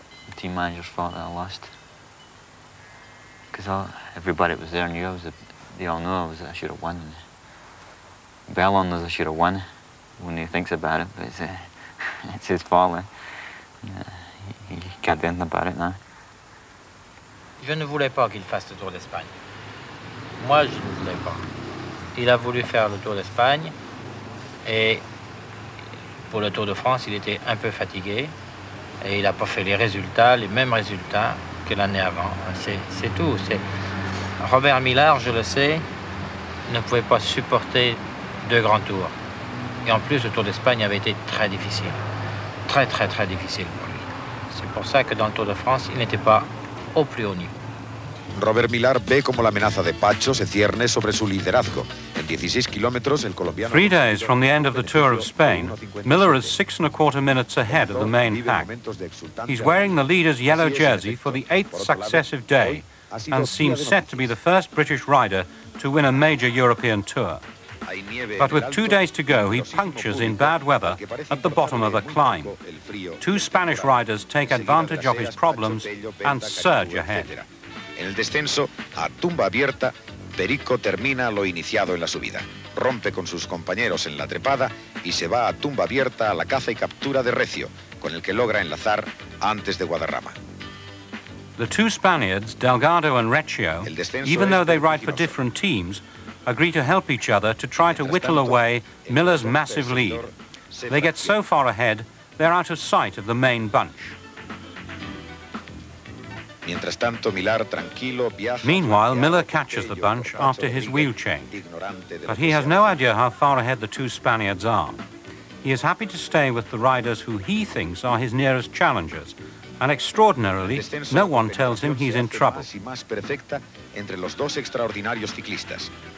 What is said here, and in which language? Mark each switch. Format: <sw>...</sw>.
<en>The team manager's fault that I lost. Because everybody was there knew I was... They all knew I should have won. Berlon knows I should have won when he thinks about it, but it's his fault. He can't do anything about it now.</en> <fr>Je ne voulais pas qu'il fasse le Tour d'Espagne. Moi, je ne voulais pas. Il a voulu faire le Tour d'Espagne et pour le Tour de France, il était un peu fatigué et il n'a pas fait les résultats, les mêmes résultats que l'année avant. C'est tout. Robert Millar, je le sais, ne pouvait pas supporter deux grands tours. Et en plus, le Tour d'Espagne avait été très difficile. Très, très, très difficile pour lui. C'est pour ça que dans le Tour de France, il n'était pas au plus haut niveau.</fr> <es>Robert Millar ve como la amenaza de Pacho se cierne sobre su liderazgo. En 16 kilómetros, el colombiano...</es> <en>3 days from the end of the Tour of Spain, Millar is 6.25 minutes ahead of the main pack. He's wearing the leader's yellow jersey for the 8th successive day and seems set to be the first British rider to win a major European tour. But with 2 days to go, he punctures in bad weather at the bottom of a climb. Two Spanish riders take advantage of his problems and surge ahead.</en> <es>En el descenso, a tumba abierta, Perico termina lo iniciado en la subida. Rompe con sus compañeros en la trepada y se va a tumba abierta a la caza y captura de Recio, con el que logra enlazar antes de Guadarrama.</es> <en>The two Spaniards, Delgado and Recio, even though they ride for different teams, agree to help each other to try to whittle away Miller's massive lead. They get so far ahead, they're out of sight of the main bunch.</en> <es>Mientras tanto, Millar tranquilo viaja.</es> <en>Meanwhile, Millar catches the bunch after his wheel change. But he has no idea how far ahead the two Spaniards are. he is happy to stay with the riders who he thinks are his nearest challengers. And extraordinarily, no one tells him he's in trouble.</en> <es>Y más perfecta entre los dos extraordinarios ciclistas.</es>